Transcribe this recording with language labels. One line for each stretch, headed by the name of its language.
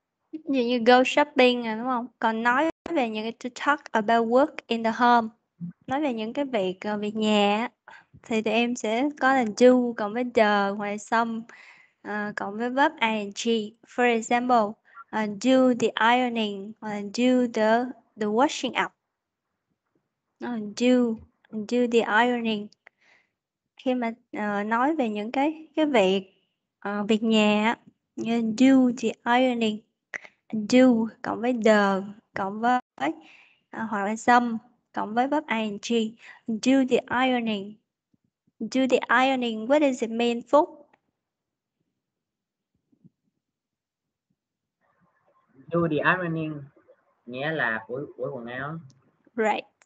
Vietnamese: Như
English: go shopping
Vietnamese: đúng không? Còn nói về những cái
English: to talk about work in the home,
Vietnamese: nói về những cái việc việc nhà thì tụi em sẽ có là do cộng với the ngoài
English: some
Vietnamese: cộng với verb ing.
English: For example, do the ironing, do the washing up, do the ironing.
Vietnamese: Khi mà nói về những cái việc việc nhà như
English: do the ironing,
Vietnamese: do cộng với the cộng với hoặc là
English: some
Vietnamese: cộng với verb ing.
English: Do the ironing. Do the ironing, what does it mean Phúc? Do the ironing
Vietnamese: nghĩa là ủi quần áo.
English: Right.